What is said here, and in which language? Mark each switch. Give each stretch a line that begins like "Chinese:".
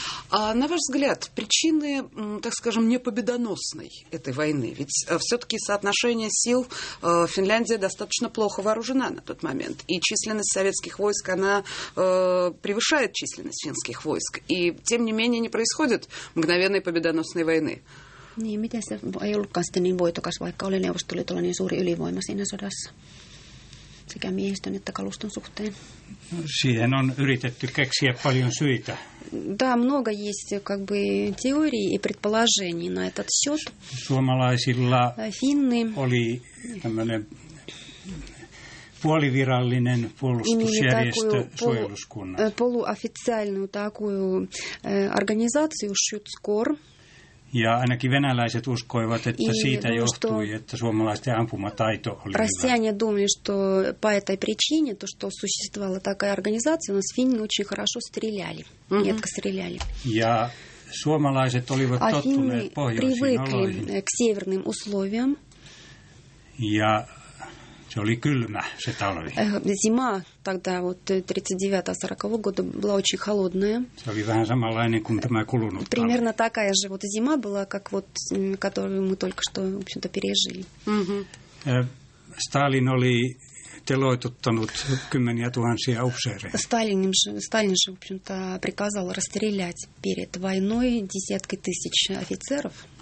Russian: А на ваш взгляд, причины, так скажем, непобедоносной этой войны? Ведь все-таки соотношение сил Финляндия достаточно плохо вооружена на тот момент. И численность советских войск, она превышает численность финских войск. И тем не менее не происходит мгновенной победоносной войны.
Finnish: Niin, miten se ei ollutkaan sitten niin voitokas, vaikka oli Neuvostoliitolla niin suuri ylivoima siinä sodassa? Sekä miehistön että kaluston suhteen. Siihen on yritetty keksiä paljon syitä.
Russian: Да, много есть как бы теорий и предположений на этот счет.
Finnish: Suomalaisilla Finni oli tämmöinen puolivirallinen puolustusjärjestö suojeluskunnat.
Russian: Полуофициальную такую организацию Schutzkor.
Finnish: Ja ainakin venäläiset uskoivat, että siitä johtui, että suomalaisten ampumataito oli hyvä.
Russian: Россияне думали, что по этой причине, то что существовала такая организация, у нас финны очень хорошо стреляли, метко стреляли.
Finnish: Ja suomalaiset olivat tottuneet pohjoisiin oloihin.
Russian: К северным условиям.
Finnish: Ja se oli kylmä, se talvi.
Russian: Зима тогда, вот 39-40 года, была очень холодная.
Finnish: Se oli vähän samanlainen kuin tämä kulunut talvi.
Russian: Примерно такая же вот зима была, как вот, которую мы только что, в общем-то, пережили.
Finnish: Сталин oli teloituttanut kymmeniä tuhansia upseereja.
Russian: Сталин же, в общем-то, приказал расстрелять перед войной десятки тысяч офицеров.